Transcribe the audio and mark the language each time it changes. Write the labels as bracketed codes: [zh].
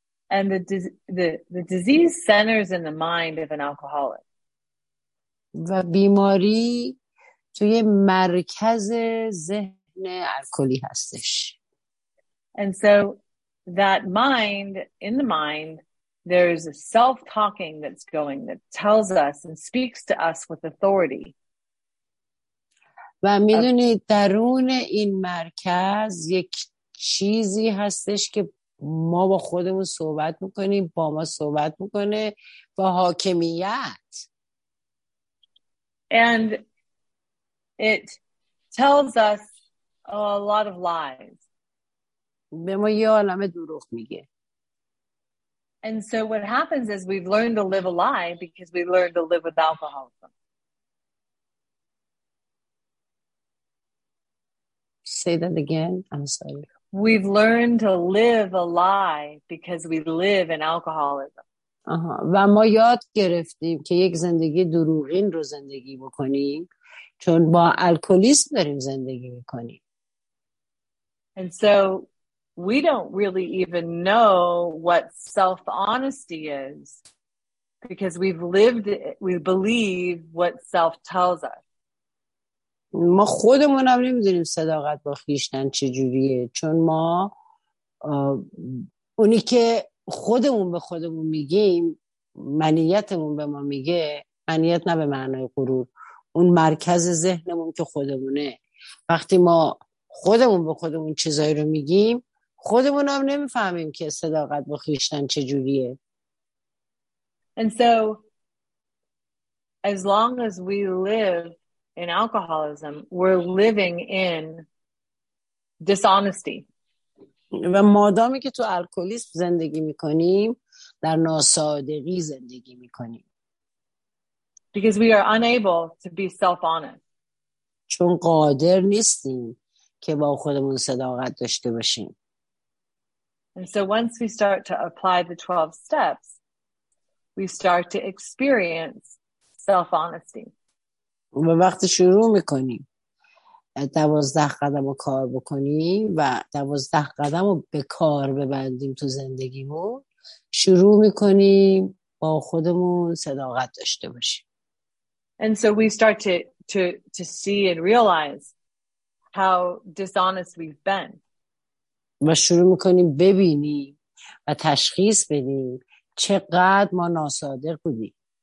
[en] And the disease centers in the mind of an alcoholic. [fa] و بیماری توی مرکز ذهن الکلی هستش. [en] And so that mind, in the mind, there is a self-talking that's going, that tells us and speaks to us with authority. [fa] و میدونی درون این مرکز یک چیزی هستش که ما با خودمون صحبت میکنیم، با ما صحبت میکنه، با حاکمیت. [en] And it tells us a lot of lies. [fa] به ما یه عالمه دروغ میگه. [en] And so what happens is we've learned to live a lie because we've learned to live with alcoholism. Say that again. I'm sorry. We've learned to live a lie because we live in alcoholism. [fa] و ما یاد گرفتیم که یک زندگی دروغین رو زندگی بکنیم چون با الکلیسم داریم زندگی میکنیم. [en] And so we don't really even know what self-honesty is because we believe what self tells us. [fa] ما خودمون هم نمیدونیم صداقت با خویشتن چجوریه چون ما اونی که خودمون به خودمون میگیم، منیتمون به ما میگه، منیت نه به معنای غرور، اون مرکز ذهنمون که خودمونه، وقتی ما خودمون به خودمون چیزایی رو میگیم خودمون هم نمیفهمیم که صداقت با خویشتن چجوریه. [en] And so as long as we live in alcoholism we're living in dishonesty. [fa] و مادامی که تو الکلیسم زندگی میکنیم در ناسادگی زندگی میکنیم. [en] Because we are unable to be self-honest. [fa] چون قادر نیستیم که با خودمون صداقت داشته باشیم. [en] And so once we start to apply the 12 steps, we start to experience self-honesty. [fa] و وقتی شروع میکنیم 12 قدم رو کار بکنیم و 12 قدم رو به کار ببندیم تو زندگیمون، شروع میکنیم با خودمون صداقت داشته باشیم. [en] And so we start to see and realize how dishonest we've been. [fa] ما شروع میکنیم ببینیم و تشخیص بدیم چقدر ما ناصادق بودیم.